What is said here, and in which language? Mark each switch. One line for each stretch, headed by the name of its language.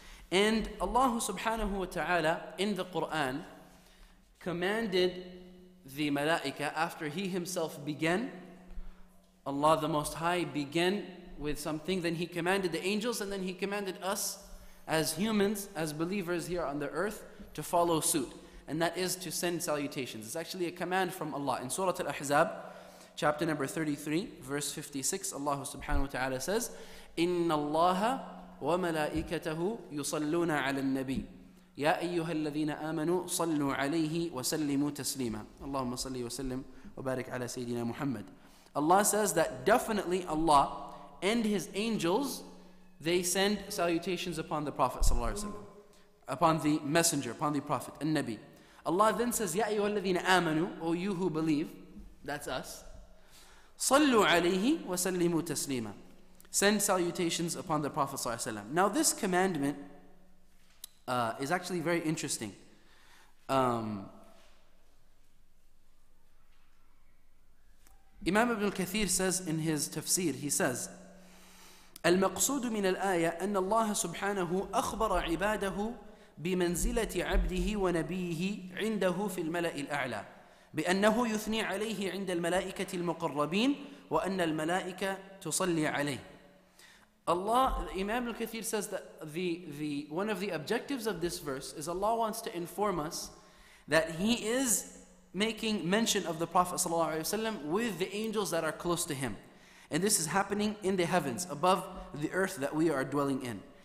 English: And Allah subhanahu wa ta'ala in the Qur'an commanded the malaika after he himself began, Allah the Most High began with something, then he commanded the angels, and then he commanded us as humans, as believers here on the earth, to follow suit. And that is to send salutations. It's actually a command from Allah. In Surah Al-Ahzab, chapter number 33, verse 56, Allah subhanahu wa ta'ala says,
Arabic: إِنَّ اللَّهَ وَمَلَائِكَتَهُ يُصَلُّونَ عَلَى النَّبِيِّ يَا أَيُّهَا الَّذِينَ آمَنُوا صَلُّوا عَلَيْهِ وَسَلِّمُوا تَسْلِيمًا. اللهم صلي وسلم وبارك على سيدنا محمد.
English: Allah says that definitely Allah and His angels, they send salutations upon the Prophet sallallahu alaihi wasallam, upon the messenger, upon the Prophet, al-Nabi. Allah then says,
Arabic: يَا أَيُّهَا الَّذِينَ آمَنُوا,
English: O you who believe, that's us,
Arabic: صَلُّوا عَلَيْهِ وَسَلِّمُوا تَسْلِيمًا.
English: Send salutations upon the Prophet ﷺ. Now this commandment is actually very interesting. Imam Ibn al-Kathir says in his tafsir, he says,
Arabic: المقصود من الآية أن الله سبحانه أخبر عباده بمنزلة عبده ونبيه عنده في الملأ الأعلى بأنه يثني عليه عند الملائكة المقربين وأن الملائكة تصلي عليه.
English: Allah, Imam al-Kathir says that the one of the objectives of this verse is Allah wants to inform us that He is making mention of the Prophet ﷺ with the angels that are close to Him. And this is happening in the heavens, above the earth that we are dwelling in.